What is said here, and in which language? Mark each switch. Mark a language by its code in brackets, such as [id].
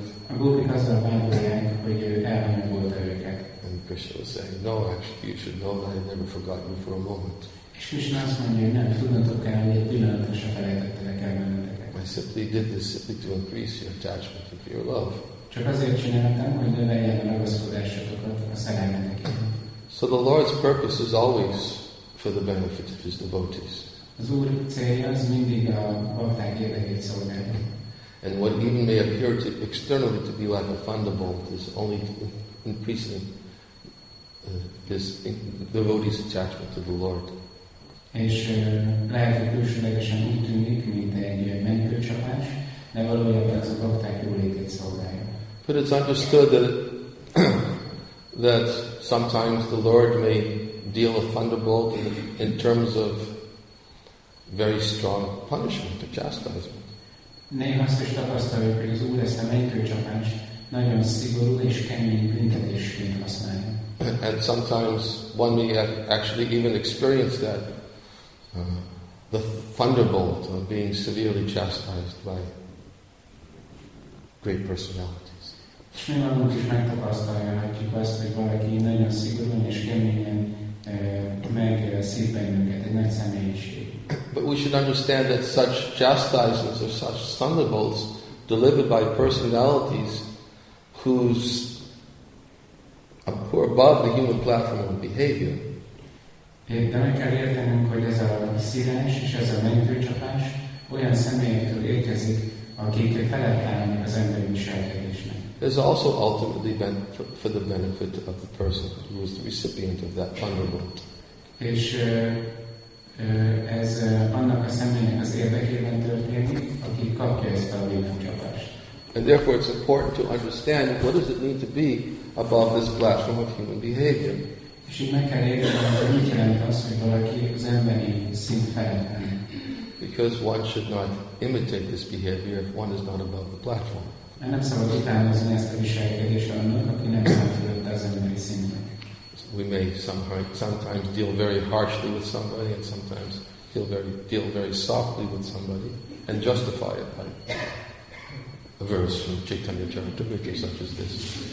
[hu] A gópik azzal vádolják, hogy elhanyagolta őket. [en] And Krishna was saying, no, actually, you should know that I never forgot you for a moment. [hu] És Krishna azt mondja, hogy nem tudnatok el, hogy egy pillanatra se felejtettelek el benneteket. [en] I simply did this simply to increase your attachment to your love. [hu] Csak azért csináltam, hogy növeljen a ragaszkodásokat a szerelmetekért. [en] So the Lord's purpose is always for the benefit of his devotees. [hu] Az Úr célja az mindig a bakták érdekét szolgálni. [en] And what even may appear to externally to be like a thunderbolt is only increasing this devotee's attachment to the Lord. [hu] És lehet, hogy külsőlegesen úgy tűnik, mint egy menkőcsapás, de valójában ez a bakták jólétét szolgálja. [en] But it's understood that that sometimes the Lord may deal a thunderbolt in terms of very strong punishment or chastisement. [hu] Néha azt is tapasztaljuk, hogy az Úr ezt a mennykőcsapást nagyon szigorú és kemény büntetésként használja. [en] And sometimes one may actually even experience that the thunderbolt of being severely chastised by great personalities. [hu] És mi magunk is megtapasztalhatjuk azt, hogy valaki nagyon szigorúan és keményen meg szív bennünket, egy nagy személyiség. [en] But we should understand that such chastisements or such thunderbolts delivered by personalities whose are above the human platform of behavior. [hu] De meg kell értenünk, hogy ez a szírás és ez a mentőcsapás olyan személyektől érkezik, akik felett állnak az emberi viselkedésnek. [en] There's also ultimately been for the benefit of the person who is the recipient of that thunderbolt. [hu] És ez annak a személynek az érdekében történik, aki kapja ezt a villámcsapást. [en] And therefore it's important to understand what does it mean to be above this platform of human behavior. [hu] És így meg kell érteni, hogy mit jelent az, hogy valaki az emberi szint felett. [en] Because one should not imitate this behavior if one is not above the platform. [hu] Mert nem szabad utánozni ezt a viselkedést annak, aki nem felett az emberi szintnek. [en] We may sometimes deal very harshly with somebody and sometimes deal very softly with somebody and justify it by a verse from Chaitanya Charitamrita such as this.